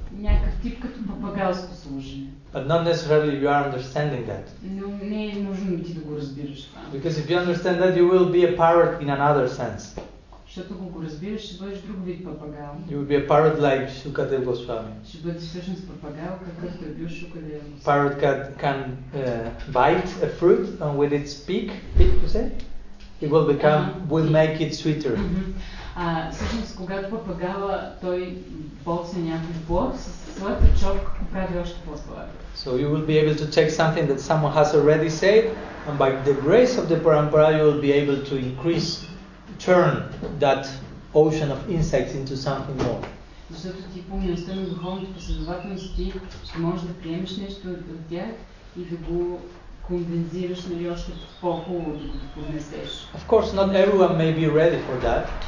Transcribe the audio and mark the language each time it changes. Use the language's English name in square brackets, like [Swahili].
[Bulgarian] Някакъв тип като папагалско служене. [English] But not necessarily you are understanding that. [Bulgarian] Но не е нужно ти да го разбираш това. [English] Because if you understand that, you will be a parrot in another sense. [Bulgarian] Защото ако го разбираш, ще бъдеш друг вид папагал. [English] You will be a parrot like Шукадев Госвами. [Bulgarian] Ще бъдеш всъщност папагал, какъвто е бил Шукадев Госвами. [English] Parrot can bite a fruit and with its beak, you say, it will become, will make it sweeter. [Bulgarian] Всъщност, когато папагала, той боца някой плод, със своята чопка прави още по-слаб. [English] So you will be able to take something that someone has already said, and by the grace of the parampara, you will be able to increase, turn that ocean of insights into something more. [Bulgarian] Защото ти по милостта на духовните последователност, ти ще можеш да приемеш нещо от тях и да го кондензираш, нали, още по-хубаво да го поднесеш. [English] Of course, not everyone may be ready for that.